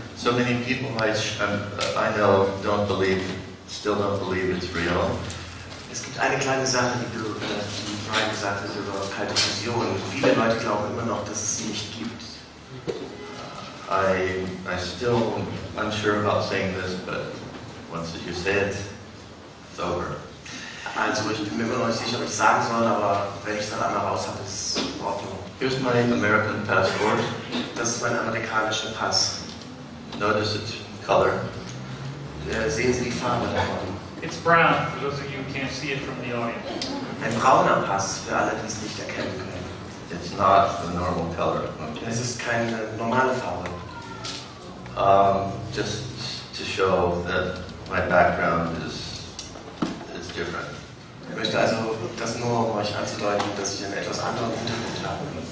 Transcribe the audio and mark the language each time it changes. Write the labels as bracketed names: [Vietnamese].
[English] So many people I know don't believe, still don't believe it's real. [German] Es gibt eine kleine Sache, die Brian gesagt hat über kalte Fusion. Viele Leute glauben immer noch, dass es sie nicht gibt. [English] I still unsure about saying this, but once you say it, it's over. [German] Also, ich bin mir immer noch nicht sicher, ob ich sagen soll, aber wenn ich es dann einmal raus habe, ist es in Ordnung. [English] Here's my American passport. [German] Das ist mein amerikanischer Pass. [English] Notice its color. [German] Sehen Sie die Farbe davon? [English] It's brown, for those of you who can't see it from the audience. [German] Ein brauner Pass, für alle, die es nicht erkennen können. [English] It's not the normal color. [German] Okay. Es ist keine normale Farbe. [English] Just to show that my background is different. [German] Ich möchte also das nur, um euch anzudeuten, dass ich einen etwas anderen Hintergrund habe.